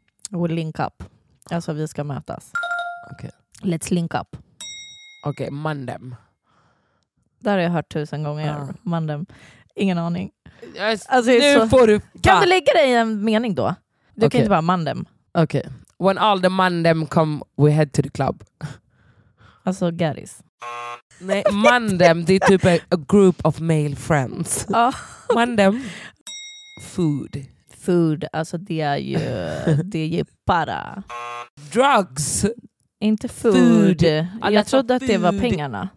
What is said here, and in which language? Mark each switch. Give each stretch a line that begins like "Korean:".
English: We'll link up.
Swedish: Alltså vi ska mötas.
English: Okay. Let's link up.
Swedish: Okej, okay, mandem. Där har jag hört 1000 gånger. Mandem. Ingen aning. Yes, alltså, nu så... får du... Kan du lägga dig en mening då? Du okay. Kan inte bara mandem. Okej. Okay.
English: When all the mandem come, we head to the club.
Swedish: Alltså, Gary's. Nej, mandem, det är typ
English: a group of male friends. Mandem. Food.
Swedish: Food, alltså det är ju para.
English: Drugs.
Swedish: Inte food. Food. Jag trodde att det var pengarna.